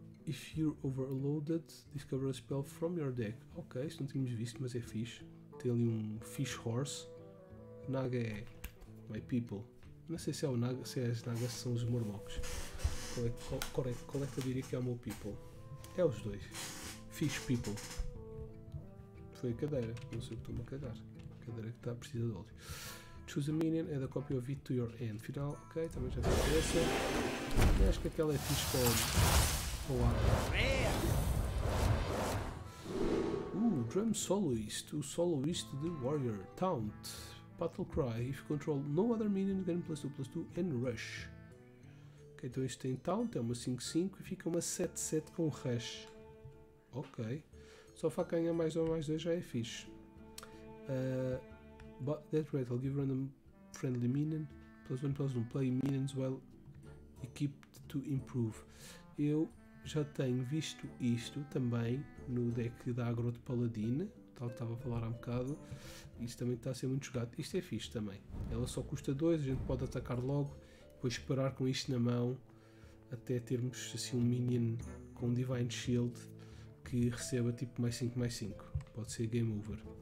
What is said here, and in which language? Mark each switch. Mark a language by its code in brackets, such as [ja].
[en] If you're overloaded, discover a spell from your deck. [pt] Ok, isto não tínhamos visto, mas é fixe. Tem ali um Fish Horse. Naga é [en] my people. [pt] Não sei se é o Naga, se é as Nagas são os Morlocks. Qual é que eu diria que é o meu people? É os dois. [en] Fish people. [pt] Foi a cadeira. Não sei o que estou-me a cagar. A cadeira que está precisa de óleo. [en] Choose a minion, add a copy of it to your hand. [pt] Final, ok, também já tem essa. Eu acho que aquela é fish com o ar. [en] Drum soloist. O soloist de Warrior. Taunt. Battlecry, if you control no other minion, gain +2/+2 and rush. [pt] Ok, então este tem taunt, é uma 5-5 e fica uma 7-7 com rush. Ok. Só para ganhar mais ou mais 2 já é fixe. [en] But that rate, I'll give random friendly minion +1/+1. Play minions while equipped to improve. [pt] Eu já tenho visto isto também no deck da Agro de Paladine. Tal que estava a falar há um bocado, isto também está a ser muito jogado. Isto é fixe também. Ela só custa 2, a gente pode atacar logo, depois esperar com isto na mão até termos assim um minion com um Divine Shield que receba tipo +5/+5. Pode ser game over.